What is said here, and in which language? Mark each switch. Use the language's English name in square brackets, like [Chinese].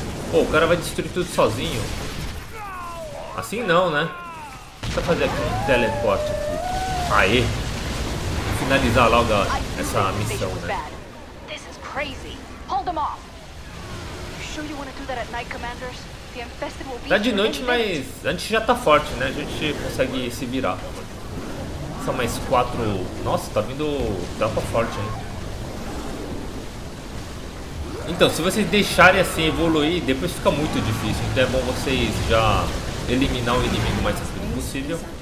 [Portuguese] Pô, o cara vai destruir tudo sozinho. Assim não, né? Deixa eu fazer aqui um teleporte aqui. Aê! Finalizar logo essa missão, né? [English] This is crazy. Hold them off. You sure you want to do that at night, commanders? The infested will be... [Portuguese] Tá de noite, mas a gente já tá forte, né? A gente consegue se virar. São mais 4. Nossa, tá vindo tropa forte, hein? Então, se vocês deixarem assim evoluir, depois fica muito difícil. Então é bom vocês já eliminar o inimigo o mais rápido possível.